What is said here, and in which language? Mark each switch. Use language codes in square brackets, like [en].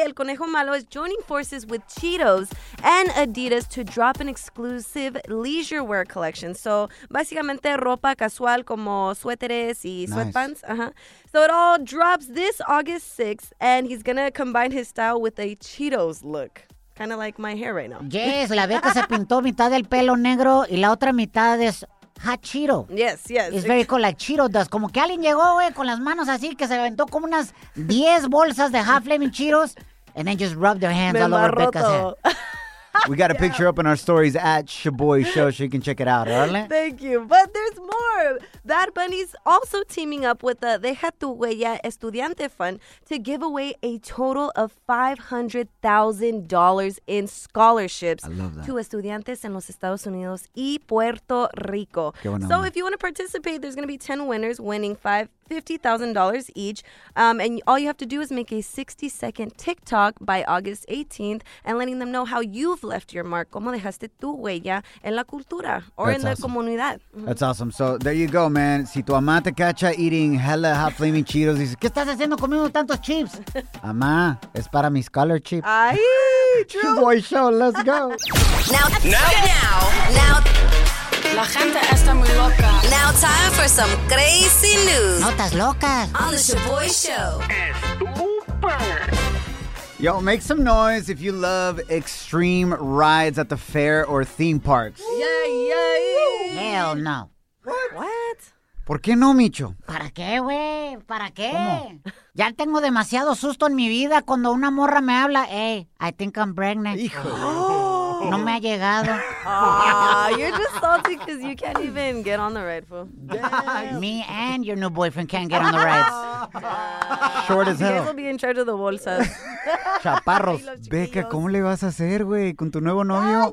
[en] El Conejo Malo is joining forces with Cheetos and Adidas to drop an exclusive leisure wear collection. [es] So, básicamente ropa casual como suéteres y sweatpants. [en] Nice. Uh-huh. So, it all drops this August 6th, and he's gonna combine his style with a Cheetos look. Kind of like my hair right now. Yes, [es] la Beca se pintó mitad del pelo negro y la otra mitad es hot Cheeto. [en] Yes, yes. It's very cool, like Cheeto does. [es] Como que alguien llegó, güey, con las manos así, que se aventó como unas 10 bolsas de Hot Flaming Cheetos, [en] and then just rubbed their hands all over Beca's head. We got a picture up in our stories at Shaboy Show, so you can check it out, Arlen. Thank you. But there's more. Bad Bunny's also teaming up with the Deja Tu Huella Estudiante Fund to give away a total of $500,000 in scholarships to [es] estudiantes en los Estados Unidos y Puerto Rico. [en] So if you want to participate, there's going to be 10 winners winning $50,000 each. And all you have to do is make a 60-second TikTok by August 18th and letting them know how you've left your mark. [es] ¿Cómo dejaste tu huella en la cultura [en] or That's in awesome. The comunidad? Mm-hmm. That's awesome. So there you go, man. [es] Si tu mamá te cacha [en] eating hella hot flaming Cheetos, [es] dice, ¿qué estás haciendo comiendo tantos chips? Mamá, es para mis color chips. [en] Ay, true. Boy Show, let's go. Now. [es] La gente está muy loca. [en] Now time for some crazy news. [es] Notas locas. [en] On the Shaboy Show. Estúper. Yo, make some noise if you love extreme rides at the fair or theme parks. Yay, yay. Hell no. What? [es] ¿Por qué no, Micho? ¿Para qué, güey? ¿Para qué? ¿Cómo? Ya tengo demasiado susto en mi vida cuando una morra me habla. [en] Hey, I think I'm pregnant. [es] Hijo. No me ha llegado. [en] You're just salty because you can't even get on the ride, fool. Me and your new boyfriend can't get on the rides. Short as hell. You guys will be in charge of the bolsas. [es] Chaparros. Beca, ¿cómo le vas a hacer, güey, con tu nuevo novio?